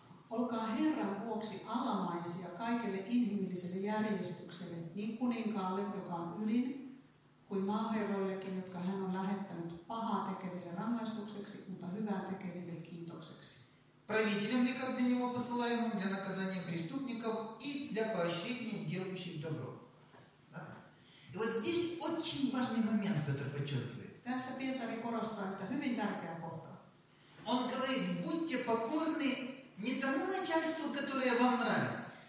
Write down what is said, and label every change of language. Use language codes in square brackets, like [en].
[fi] Olkaa Herran vuoksi alamaisia kaikelle inhimilliselle järjestykselle, niin kuninkaalle, joka on ylin, kuin maaherroillekin, jotka hän on lähettänyt pahaa tekeville rangaistukseksi, mutta hyvää tekeville kiitokseksi. [ru] Правителям ли как для него посылаемым для наказания преступников и для поощрения делающих добро. И вот здесь очень важный момент Петр подчеркивает. [fi] Tässä Pietari korostaa yhtä hyvin tärkeää kohtaa. [ru] Он говорит, будьте покорны не тому начальству, которое вам нравится.